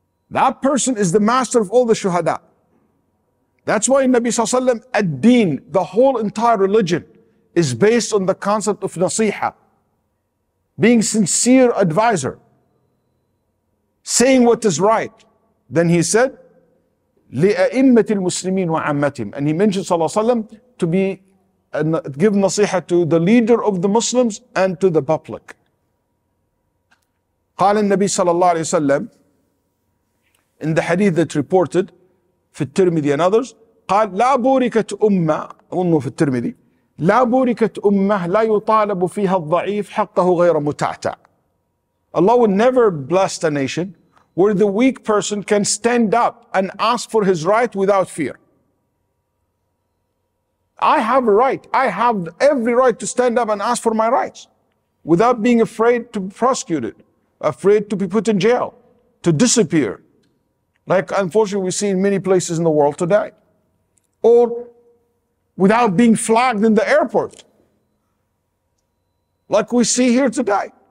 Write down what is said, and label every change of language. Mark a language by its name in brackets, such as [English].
[English] That person is the master of all the shuhada. That's why in Nabi Sallallahu Alaihi Wasallam, ad-deen, the whole entire religion is based on the concept of nasiha, being sincere advisor. saying what is right. Then he said, [Arabic] لِأَئِمَّةِ الْمُسْلِمِينَ وَعَمَّتِهِمْ. [English] And he mentioned Sallallahu Alaihi Wasallam to be, give nasiha to the leader of the Muslims and to the public. [Arabic] قال النبي صلى الله عليه وسلم, [English] in the hadith that reported [Arabic] في الترمذي [English] and others, [Arabic] قال لا بوركت أمة, أظنه في الترمذي, لا بوركت أمة لا يطالب فيها الضعيف حقه غير متعتع. [English] Allah will never bless a nation where the weak person can stand up and ask for his right without fear. I have a right. I have every right to stand up and ask for my rights without being afraid to be prosecuted, afraid to be put in jail, to disappear, like unfortunately we see in many places in the world today, or without being flagged in the airport, like we see here today.